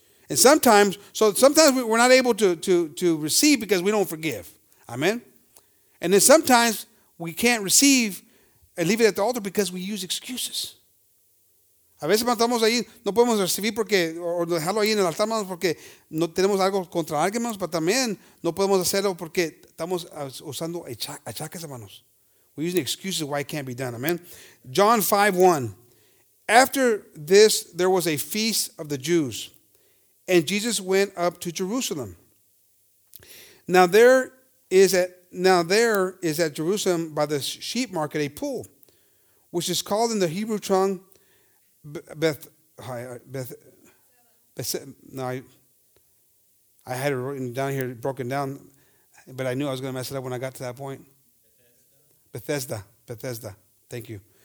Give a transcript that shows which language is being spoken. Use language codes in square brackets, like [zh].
[en] And sometimes we're not able to receive because we don't forgive. Amen. And then sometimes we can't receive and leave it at the altar because we use excuses. [es] A veces estamos ahí, no podemos recibir porque, o dejarlo ahí en el altar, hermanos, porque no tenemos algo contra alguien, hermanos, pero también no podemos hacerlo porque Estamos usando achaques, hermanos. [en] We're using excuses why it can't be done. Amen. John 5:1. After this, there was a feast of the Jews, and Jesus went up to Jerusalem. Now there is at Jerusalem by the sheep market a pool, which is called in the Hebrew tongue I had it written down here, broken down, but I knew I was going to mess it up when I got to that point. Bethesda. Thank you.